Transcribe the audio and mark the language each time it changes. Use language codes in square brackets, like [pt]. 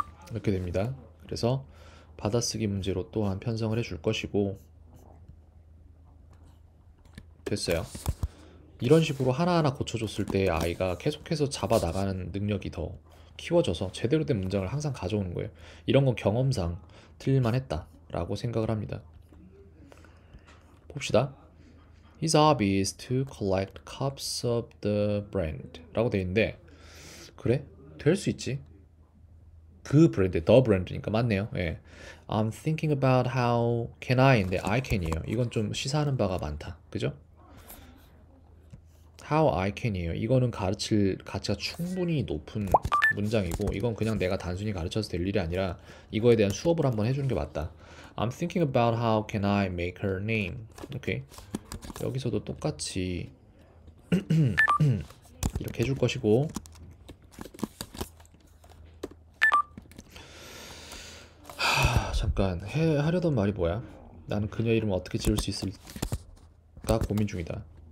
[ko] 이렇게 됩니다. 그래서 받아쓰기 문제로 또한 편성을 해줄 것이고, 됐어요. 이런 식으로 하나하나 고쳐줬을 때 아이가 계속해서 잡아나가는 능력이 더 키워져서 제대로 된 문장을 항상 가져오는 거예요. 이런 건 경험상 틀릴만했다라고 생각을 합니다. 봅시다. [en] His hobby is to collect cups of the brand [ko] 라고 돼 있는데, 그래? 될수 있지. 그 브랜드, the 브랜드니까 맞네요. 예. [en] I'm thinking about how can I [ko] 인데 [en] I can이에요. [ko] 이건 좀 시사하는 바가 많다. 그죠? [en] How I can이에요. [ko] 이거는 가르칠 가치가 충분히 높은 문장이고, 이건 그냥 내가 단순히 가르쳐서 될 일이 아니라 이거에 대한 수업을 한번 해주는 게 맞다. [en] I'm thinking about how can I make her name. [ko] 오케이. 여기서도 똑같이 이렇게 해줄 것이고, 잠깐 하려던 말이 뭐야? 나는 그녀 이름을 어떻게 지을 수 있을까 고민 중이다.